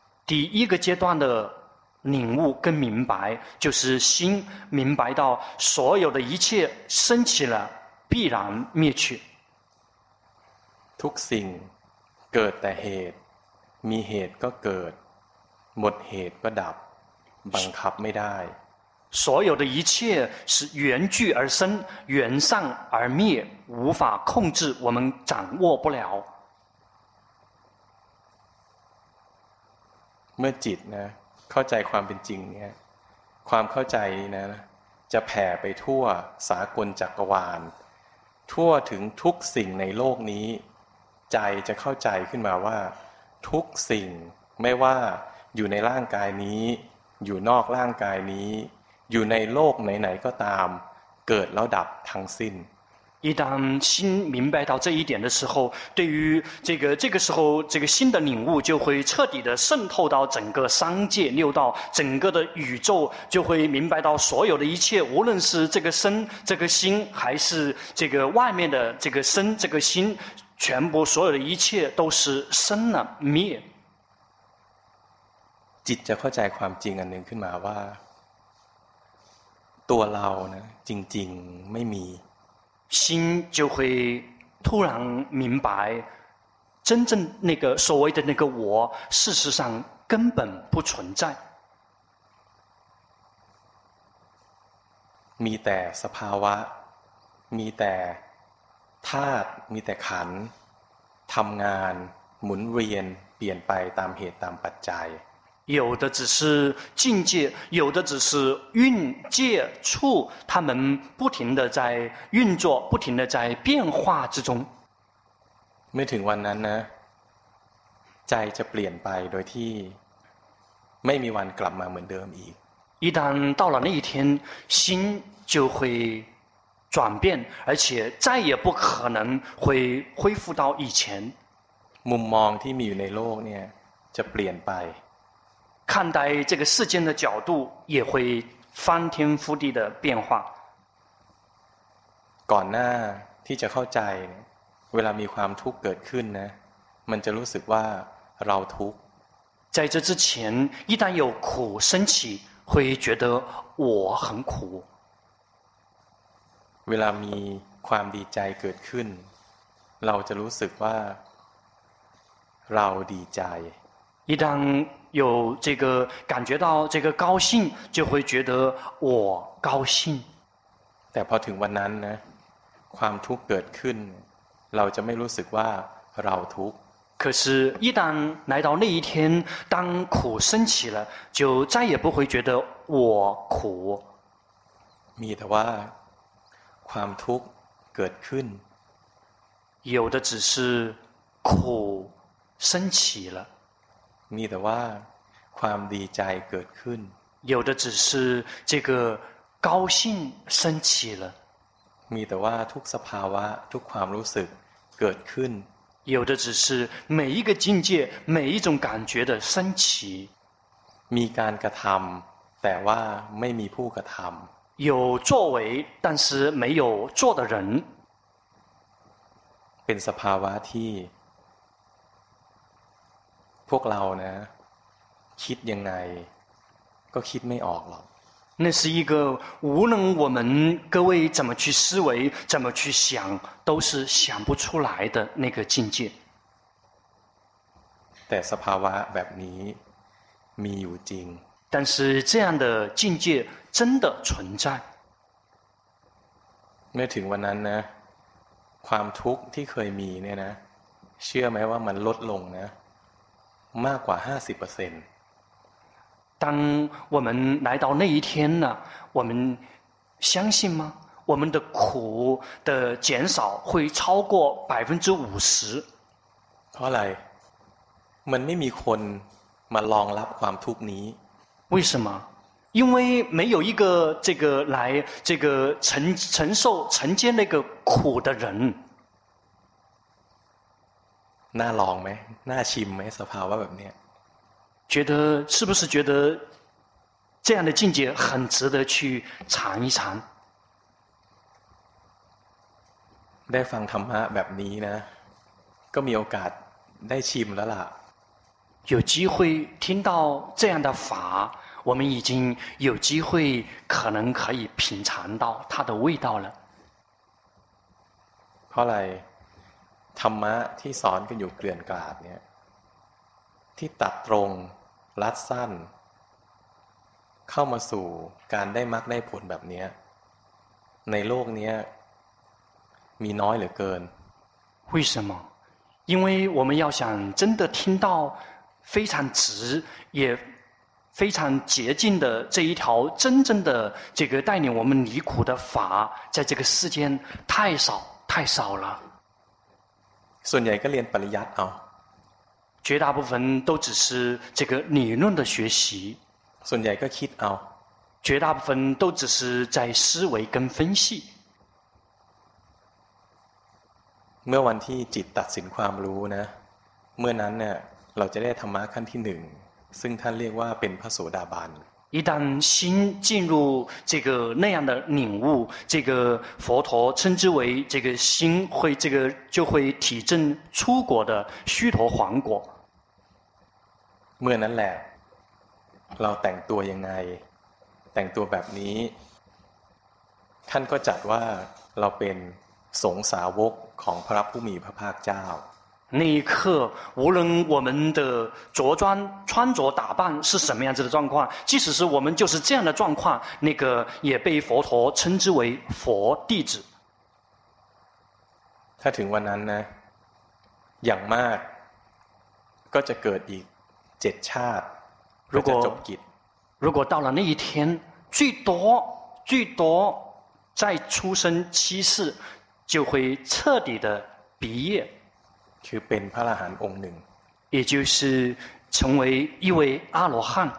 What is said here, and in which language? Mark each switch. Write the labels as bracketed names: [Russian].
[Chinese] 第一个阶段的领悟跟明白就是心明白到所有的一切升起了必然灭去 [Thai] ทุกสิ่งเกิดแต่เหตุมีเหตุก็เกิดหมดเหตุก็ดับบังคับไม่ได้ [Chinese] 所有的一切是缘聚而生缘散而灭无法控制我们掌握不了 [Thai] เมื่อจิตนะเข้าใจความเป็นจริงเนี่ยความเข้าใจนะจะแผ่ไปทั่วสากลจักรวาลทั่วถึงทุกสิ่งในโลกนี้ใจจะเข้าใจขึ้นมาว่าทุกสิ่งไม่ว่าอยู่ในร่างกายนี้อยู่นอกร่างกายนี้อยู่ในโลกไหนๆก็ตามเกิดแล้วดับทั้งสิ้น [Chinese] 一旦心明白到这一点的时候对于这个时候这个心的领悟就会彻底的渗透到整个三界六道整个的宇宙就会明白到所有的一切无论是这个身这个心还是这个外面的这个身这个心全部所有的一切都是生了灭 [Thai] จิตจะเข้าใจความจริงอันหนึ่งขึ้นมาว่าตัวเรานะจริงๆไม่มี [Chinese] 心就会突然明白真正那个所谓的那个我事实上根本不存在 [Thai] มีแต่สภาวะมีแต่ธาตุมีแต่ขันธ์ทำงานหมุนเวียนเปลี่ยนไปตามเหตุตามปัจจัย [Chinese] 有的只是境界有的只是运界处他们不停地在运作不停地在变化之中 [Thai] ไม่ถึงวันนั้นนะใจจะเปลี่ยนไปโดยที่ไม่มีวันกลับมาเหมือนเดิมอีก [Chinese] 一旦到了那一天心就会转变而且再也不可能会恢复到以前 [Thai] มุมมองที่มีอยู่ในโลกเนี่ยจะเปลี่ยนไป [Chinese] 看待这个世间的角度也会翻天覆地的变化 [Thai] ก่อนหน้าที่จะเข้าใจเวลามีความทุกข์เกิดขึ้นนะมันจะรู้สึกว่าเราทุกข์ [Chinese] 在这之前一旦有苦升起会觉得我很苦 [Thai] เวลามีความดีใจเกิดขึ้นเราจะรู้สึกว่าเราดีใจ [Chinese] 一旦有这个感觉到这个高兴就会觉得我高兴 [Thai] แต่พอถึงวันนั้นนะความทุกข์เกิดขึ้นเราจะไม่รู้สึกว่าเราทุกข์ [Chinese] 可是一旦来到那一天当苦升起了就再也不会觉得我苦 [Thai] มีแต่ว่าความทุกข์เกิดขึ้น [Chinese] 有的只是苦升起了 [Thai] มีแต่ว่าความดีใจเกิดขึ้น [Chinese] 有的只是这个高兴升起了 [Thai] มีแต่ว่าทุกสภาวะทุกความรู้สึกเกิดขึ้น [Chinese] 有的只是每一个境界每一种感觉的升起 [Thai] มีการกระทำแต่ว่าไม่มีผู้กระทำ [Chinese] 有作为但是没有做的人 [Thai] เป็นสภาวะที่พวกเรานะคิดยังไงก็คิดไม่ออกหรอก [Chinese] 那是一个无论我们各位怎么去思维怎么去想都是想不出来的那个境界 [Thai] แต่สภาวะแบบนี้มีอยู่จริง [Chinese] 但是这样的境界真的存在 [Thai] เมื่อถึงวันนั้นนะความทุกข์ที่เคยมีเนี่ยนะเชื่อไหมว่ามันลดลงนะมากกว่า 50% [Chinese] 当我们来到那一天呢我们相信吗我们的苦的减少会超过 50% [Thai] เพราะอะไรมันไม่มีคนมารองรับความทุกข์นี้ [Chinese] 为什么因为没有一个这个来这个承受承接那个苦的人 [Thai] น่าลองไหมน่าชิมไหมสภาวะแบบนี้ [Chinese] 觉得是不是觉得这样的境界很值得去尝一尝 [Thai] ได้ฟังธรรมะแบบนี้นะก็มีโอกาสได้ชิมแล้วล่ะ [Chinese] 有机会听到这样的法我们已经有机会可能可以品尝到它的味道了 [Thai] เพราะอะไรธรรมะที่สอนกันอยู่เกลื่อนกลาดเนี่ยที่ตัดตรงรัดสั้นเข้ามาสู่การได้มรรคได้ผลแบบนี้ในโลกนี้มีน้อยเหลือเกิน [Chinese] 为什么因为我们要想真的听到非常直也非常洁净的这一条真正的这个带领我们离苦的法在这个世间太少太少了 [Thai] ส่วนใหญ่ก็เรียนปริยัติเอา [Chinese] 绝大部分都只是这个理论的学习 [Thai] ส่วนใหญ่ก็คิดเอา [Chinese] 绝大部分都只是在思维跟分析 [Thai] เมื่อวันที่จิตตัดสินความรู้นะเมื่อนั้นเนี่ยเราจะได้ธรรมะขั้นที่หนึ่งซึ่งท่านเรียกว่าเป็นพระโสดาบัน [Chinese] 一旦心进入这个那样的领悟，这个佛陀称之为这个心会这个就会体证出果的须陀洹果。 [Thai] เมื่อนั้นแหละ เราแต่งตัวยังไงแต่งตัวแบบนี้ท่านก็จัดว่าเราเป็นสงสาวกของพระผู้มีพระภาคเจ้า [Chinese] 那一刻无论我们的着装穿着打扮是什么样子的状况即使是我们就是这样的状况那个也被佛陀称之为佛弟子 [Thai] ถ้าถึงวันนั้นนะอย่างมากก็จะเกิดอีก7ชาติ ก็จะจบกิจ [Chinese] 如果到了那一天最多再出生七世就会彻底的毕业 [Thai] คือเป็นพระอรหันต์องค์หนึ่ง [Chinese] 也就是成为一位阿罗汉